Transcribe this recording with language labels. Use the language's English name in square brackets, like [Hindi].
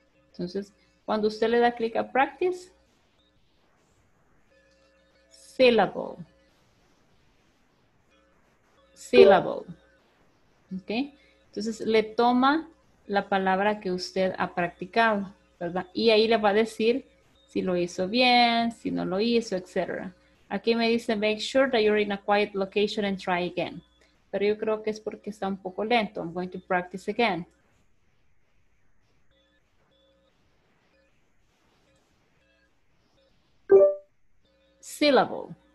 [Spanish] Entonces, cuando usted le da clic a practice, syllable. Syllable. ¿Ok? Entonces, le toma la palabra que usted ha practicado. ¿verdad? Y ahí les va a decir si lo hizo bien, si no lo hizo, etc. Aquí me dice, [English] make sure that you're in a quiet location and try again. [Spanish] Pero yo creo que es porque está un poco lento. [English] I'm going to practice again. Syllable.